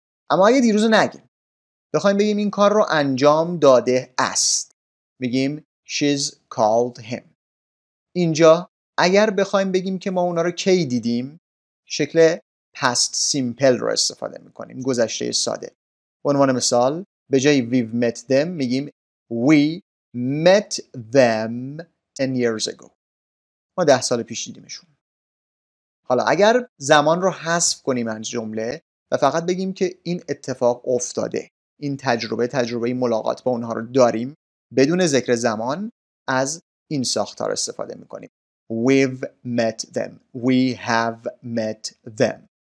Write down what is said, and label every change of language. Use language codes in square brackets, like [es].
[fa] اما اگه دیروز نگیم بخوایم بگیم این کار رو انجام داده است میگیم [en] She's called him. [fa] اینجا اگر بخوایم بگیم که ما اونا رو کی دیدیم، شکل past simple رو استفاده میکنیم، گذشته ساده. به عنوان مثال به جای [en] we've met them [fa] میگیم [en] we met them 10 years ago. [fa] ما 10 سال پیش دیدیمشون. حالا اگر زمان رو حذف کنیم از جمله و فقط بگیم که این اتفاق افتاده، این تجربه ملاقات با اونها رو داریم، بدون ذکر زمان، از این ساختار استفاده میکنیم. [en] We've met them. We have met them.